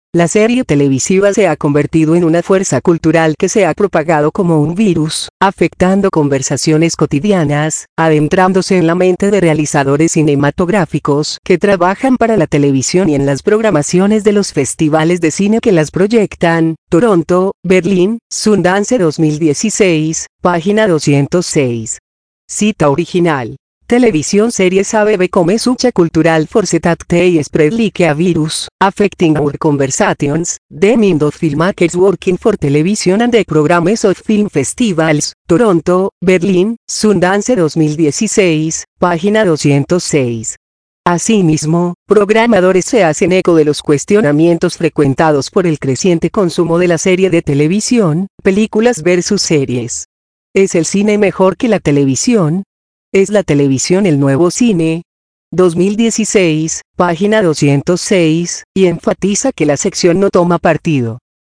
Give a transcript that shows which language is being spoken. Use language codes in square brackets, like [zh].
[es] La serie televisiva se ha convertido en una fuerza cultural que se ha propagado como un virus, afectando conversaciones cotidianas, adentrándose en la mente de realizadores cinematográficos que trabajan para la televisión y en las programaciones de los festivales de cine que las proyectan: Toronto, Berlín, Sundance 2016, página 206. Cita original. [en] Television series have become such a cultural force that they spread like a virus, affecting our conversations, the mind of filmmakers working for television and the programmes of film festivals, Toronto, Berlin, Sundance 2016, [es] página 206. Asimismo, programadores se hacen eco de los cuestionamientos frecuentados por el creciente consumo de la serie de televisión, películas versus series. ¿Es el cine mejor que la televisión? ¿Es la televisión el nuevo cine? 2016, página 206, y enfatiza que la sección no toma partido.